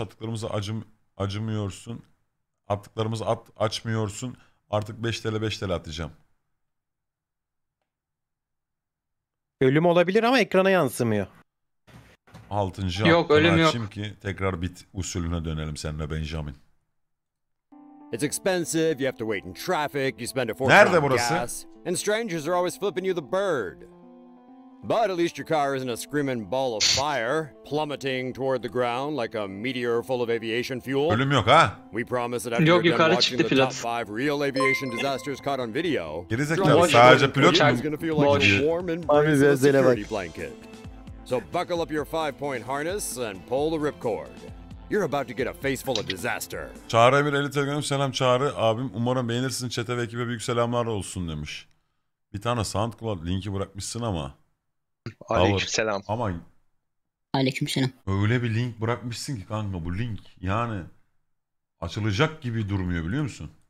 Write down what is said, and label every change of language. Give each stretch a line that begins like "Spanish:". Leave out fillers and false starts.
Turkish: Attıklarımızı acımıyorsun. Attıklarımızı açmıyorsun. Artık 5 TL atacağım. Ölüm olabilir ama ekrana yansımıyor. 6. Yok ölüm yok. Açayım ki tekrar bit usulüne dönelim seninle Benjamin.
English: It's expensive. You have to wait in traffic. You spend a fortune.
Turkish: Nerede burası?
English: Gas, and strangers are always flipping you the bird. But at least your car isn't a screaming ball of fire plummeting toward the ground like a meteor full of aviation fuel.
Turkish: Ölüm yok ha.
English: We promise that after you've done watching the top 5 real aviation disasters caught on video.
Turkish: Gerizekalı sadece pilot mu? Abi zelzele bak.
English: So buckle up your 5-point harness and pull the ripcord. You're about to get a face full of disaster.
Turkish: Çağrı Emir 50 telegram selam Çağrı abim umarım beğenirsin çete ve ekibe büyük selamlar olsun demiş. Bir tane SoundCloud linki bırakmışsın ama. Aleykümselam. Ama. Aleykümselam. Öyle bir link bırakmışsın ki kanka bu link yani açılacak gibi durmuyor biliyor musun?